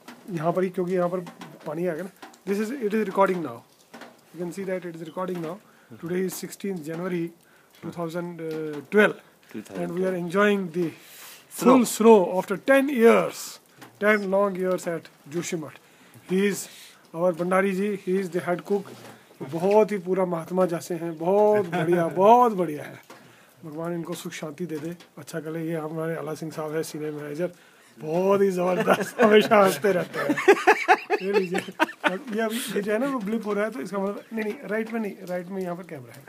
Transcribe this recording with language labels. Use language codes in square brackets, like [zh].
[hi] यहाँ पर ही क्योंकि यहाँ पर पानी आ गया ना [en] This is it is recording now You can see that it is recording now. Today is 16th January 2012 and we are enjoying the full snow after 10 years, 10 long years at Joshimath. He is our Bhandari ji, he is the head cook. [hi] बहुत ही पूरा महात्मा जैसे हैं बहुत बढ़िया है भगवान इनको सुख शांति दे दे अच्छा कर ले ये हमारे आला सिंह साहब है सीनियर मैनेजर बहुत ही जबरदस्त हमेशा हंसते रहते हैं ये जो है ना वो ब्लिप हो रहा है तो इसका मतलब नहीं नहीं राइट में यहाँ पर कैमरा है